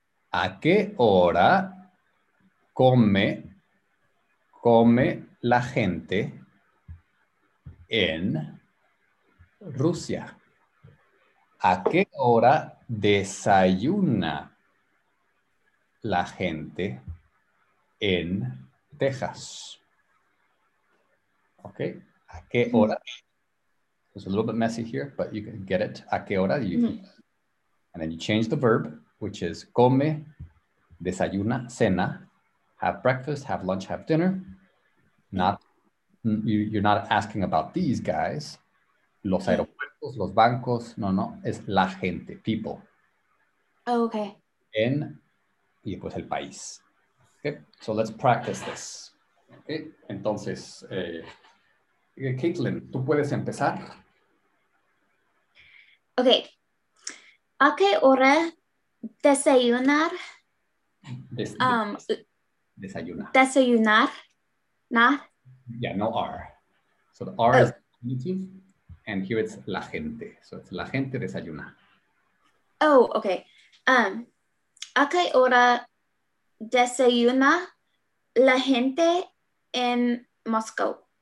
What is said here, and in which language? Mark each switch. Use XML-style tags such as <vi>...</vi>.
<es>¿A qué hora come la gente en Rusia? ¿A qué hora desayuna la gente en Texas? Okay. ¿A qué hora?</es> <en>It's a little bit messy here, but you can get it.</en> <es>¿A qué hora?</es> <en>And then you change the verb, which is come, desayuna, cena, have breakfast, have lunch, have dinner. You're not asking about these guys.</en> <es>Los aeropuertos, los bancos. No, es la gente, people.</es> <en>Oh, okay.</en> <es>En, y pues el país.</es> <en>Okay, so let's practice this.</en> <es>Okay, entonces, Caitlin, tú puedes empezar. Okay. ¿A qué hora desayunar? Desayunar.</es> <en>Nah. Yeah, no R. So the R is diminutive, and here it's la gente. So it's</en> <es>la gente desayuna.</es> <en>Oh, okay.</en> <es>¿A qué hora desayuna la gente en Moscú?</es>